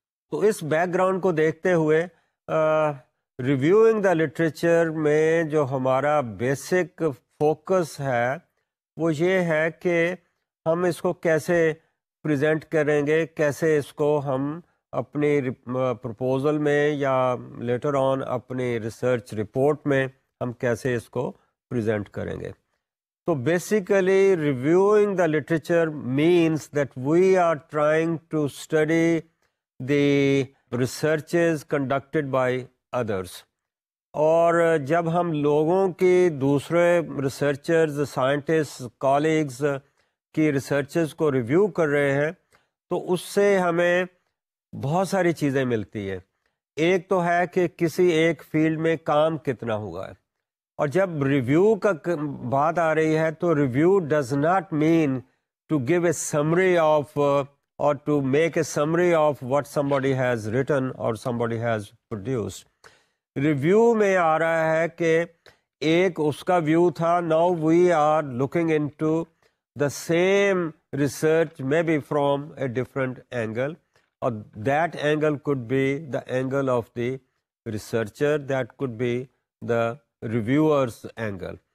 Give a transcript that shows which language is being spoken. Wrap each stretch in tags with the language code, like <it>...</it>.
<ur>تو اس back ground کو دیکھتے ہوئے</ur> <en>reviewing the literature</en> <ur>میں جو ہمارا بیسک فوکس ہے وہ یہ ہے کہ ہم اس کو کیسے پریزنٹ کریں گے, کیسے اس کو ہم اپنی پروپوزل میں یا لیٹر آن اپنی ریسرچ رپورٹ میں ہم کیسے اس کو پریزنٹ کریں گے.</ur> <en>تو basically reviewing the literature means that we are trying to study the researches conducted by others.</en> <ur>اور جب ہم لوگوں کی, دوسرے ریسرچرز, سائنٹسٹ, کالیگز کی ریسرچز کو ریویو کر رہے ہیں, تو اس سے ہمیں بہت ساری چیزیں ملتی ہیں. ایک تو ہے کہ کسی ایک فیلڈ میں کام کتنا ہوا ہے, اور جب ریویو کا بات آ رہی ہے تو</ur> <en>Review does not mean to give a summary of or to make a summary of what somebody has written or somebody has produced.</en> <ur>Review میں آ رہا ہے کہ ایک اس کا ویو تھا,</ur> <en>Now we are looking into the same research maybe from a different angle, or that angle could be the angle of the researcher, that could be the reviewers angle.</en>